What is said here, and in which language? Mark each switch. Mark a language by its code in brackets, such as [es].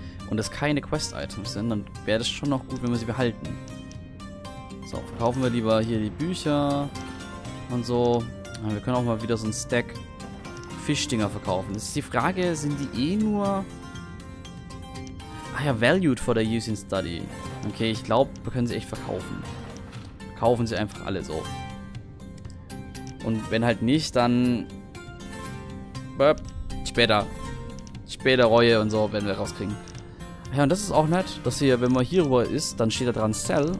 [de] Und es keine Quest-Items sind, dann wäre das schon noch gut, wenn wir sie behalten. So, verkaufen wir lieber hier die Bücher und so. Ja, wir können auch mal wieder so ein Stack Fischdinger verkaufen. Das ist die Frage, sind die eh nur. Ah ja, [en] valued for their use in study. [de] Okay, ich glaube, wir können sie echt verkaufen. Kaufen sie einfach alle so. Und wenn halt nicht, dann. Später. Später Reue und so, werden wir rauskriegen. Ja, und das ist auch nett, dass hier, wenn man hier rüber ist, dann steht da dran Sell.